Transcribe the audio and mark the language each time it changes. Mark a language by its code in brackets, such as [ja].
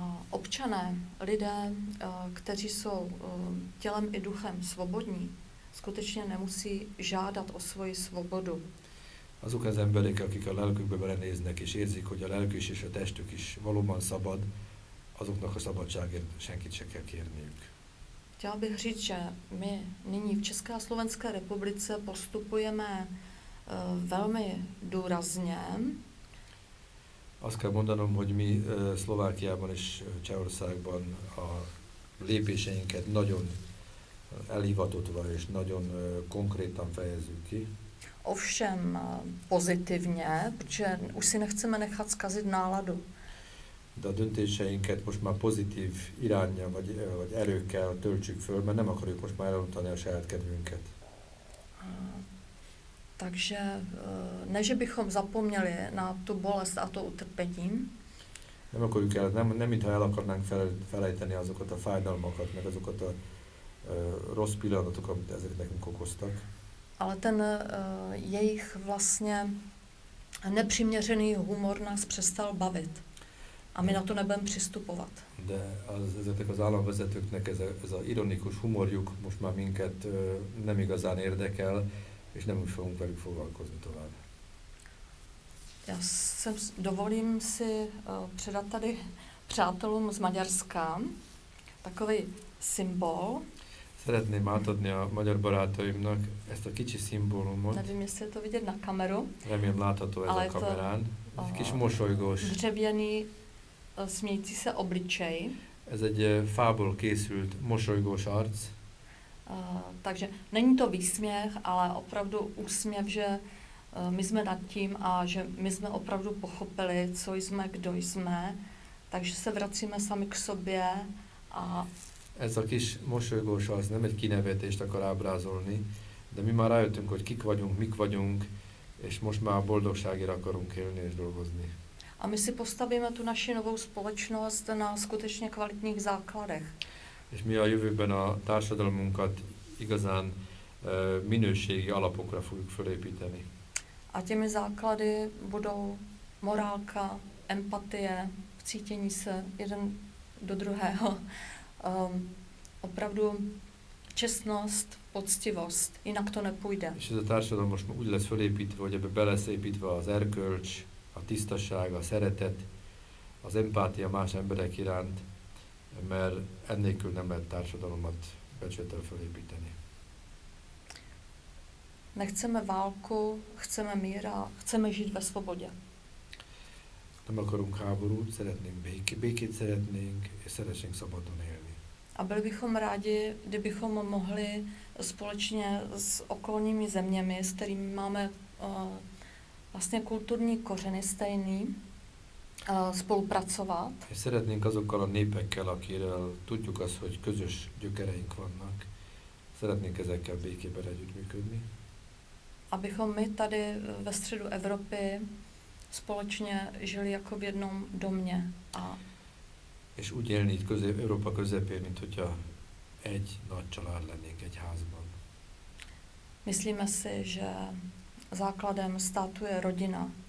[cs] Občané, lidé, kteří jsou tělem i duchem svobodní, skutečně nemusí žádat o svoji svobodu. [hu] Azok az emberek, akik a lelkükbe belenéznek és érzik, hogy a lelkük és a testük is valóban szabad, azoknak a szabadságért senkit se kell kérniük. [cs] Chtěla bych říct, že my nyní v České a Slovenské republice postupujeme velmi důrazně. [hu] Azt kell mondanom, hogy mi Szlovákiában és Csehországban a lépéseinket nagyon elhivatottva és nagyon konkrétan fejezzük ki. [cs] Ovšem pozitivně, protože už si nechceme nechat zkazit náladu. [hu] De a döntéseinket most már pozitív irányra vagy erőkkel töltsük föl, mert nem akarjuk most már elutani a saját kedvünket. [cs] Takže ne, že bychom zapomněli na tu bolest a to utrpení. [hu] Nem akarjuk el, nem mintha el akarnánk felejteni azokat a fájdalmakat, meg azokat a rossz pillanatok, amit ezek nekünk okoztak. [cs] Ale ten jejich vlastně nepřiměřený humor nás přestal bavit. A my na to nebudeme přistupovat. [hu] De ezeknek az államvezetőknek ez a ironikus humorjuk most már minket nem igazán érdekel, és nem úgy fogunk velük foglalkozni tovább. [cs] Já sem dovolím si předat tady přátelům z Maďarska takový symbol. [hu] Szeretném átadni a magyar barátaimnak ezt a kicsi szimbólumot. [cs] Nevím, jestli je to vidět na kameru. [hu] Remélem látható ez a kamerán. Ez kis mosolygós. [cs] Dřevěný, smějící se obličej. [hu] Ez egy fából készült mosolygós arc. [cs] Takže není to výsměch, ale opravdu úsměv, že my jsme nad tím a že my jsme opravdu pochopili, co jsme, kdo jsme, takže se vracíme sami k sobě a... [hu] Ez a kis mosolygós arc nem egy kinevetést akar ábrázolni, de mi már rájöttünk, hogy kik vagyunk, mik vagyunk, és most már boldogságért akarunk élni és dolgozni. [cs] A my si postavíme tu naši novou společnost na skutečně kvalitních základech. [hu] És mi a jövőben a társadalmunkat igazán minőségi alapokra fogjuk felépíteni. [cs] A těmi základy budou morálka, empatie, cítění se jeden do druhého. Opravdu čestnost, poctivost, jinak to nepůjde. [hu] És ez a társadalom most úgy lesz felépítve, hogy ebbe lesz építve az erkölcs, a tisztaság, a szeretet, az empátia más emberek iránt, mert ennélkül nem lehet társadalomat becsületel felépíteni. [cs] Nechceme válku, chceme mír a chceme žít ve svobodě. [hu] Nem akarunk háborút, szeretnénk békét szeretnénk, és szeretnénk szabadon élni. [cs] A byli bychom rádi, kdybychom mohli společně s okolními zeměmi, s kterými máme vlastně kulturní kořeny stejný. spolupracovat. [hu] És szeretnénk azokkal a népekkel, akikkel tudjuk azt, hogy közös gyökereink vannak. Szeretnénk ezekkel békében együttműködni. [cs] Abychom my tady ve středu Evropy společně žili jako v jednom domě. A [hu] és úgy élni itt Európa közepén, mint hogyha egy nagy család lennénk egy házban. [cs] Myslíme si, že základem státu je rodina.